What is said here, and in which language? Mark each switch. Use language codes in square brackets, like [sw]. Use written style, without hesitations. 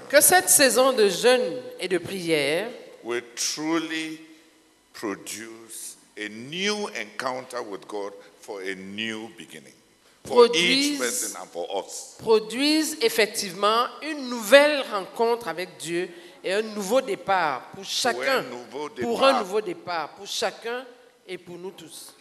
[fr] que cette saison de jeûne et de prière [en] will truly produce a new encounter with God for a new beginning for each person and for us. [fr] Produise effectivement une nouvelle rencontre avec Dieu et un nouveau départ pour chacun, pour un nouveau départ pour chacun et pour nous tous.